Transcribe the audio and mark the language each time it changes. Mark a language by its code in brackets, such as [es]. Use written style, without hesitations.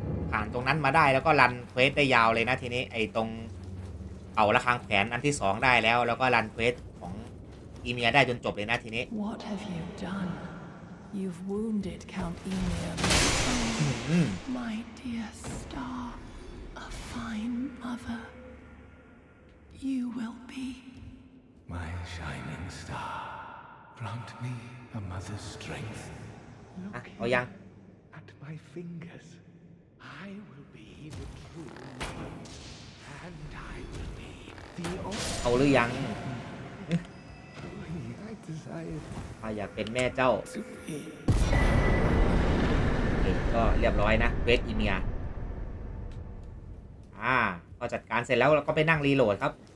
[th] ผ่านตรงนั้นมาได้แล้วก็รันเควสได้ยาวเลยนะทีนี้ไอ้ตรงเอาระฆังแขนอันที่2ได้แล้วแล้วก็รันเควสของอีเมียได้จนจบเลยนะทีนี้ [en] What have you done? You've wounded Count Emir. My dear star, a fine mother. You will be my shining star. Grant me a mother's strength. Oh, young. At my fingers, I will be the true one, and I will be the only. Oh, young. I desire. [th] I อยากเป็นแม่เจ้า ก็เรียบร้อยนะเวทอีเมียพอจัดการเสร็จแล้วเราก็ไปนั่งรีโหลดครับ